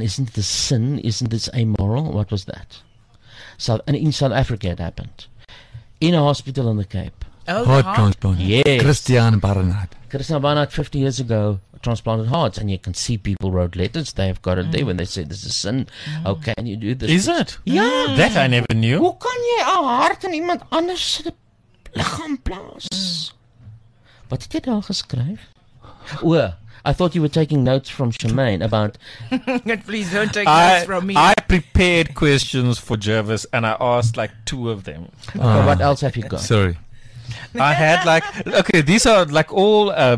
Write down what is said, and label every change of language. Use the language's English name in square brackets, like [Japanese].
[English] Isn't this sin? Isn't this amoral? What was that? So, and in South Africa it happened. In a hospital in the Cape. Oh, heart transplant. Yes. Christian Barnard. Christian Barnard, 50 years ago, transplanted hearts. And you can see people wrote letters. They have got it there when they say this is sin. Mm. Oh, can you do this? Is it? Yeah. That I never knew. [Afrikaans] Hoe kan jy 'n hart in iemand anders se liggaam plaas? Wat het jy daar geskryf? [English] Oh, I thought you were taking notes from Charmaine about... Please don't take notes from me. I prepared questions for Jervis and I asked like two of them. Okay, what else have you got? Sorry. I had like... Okay, these are like all...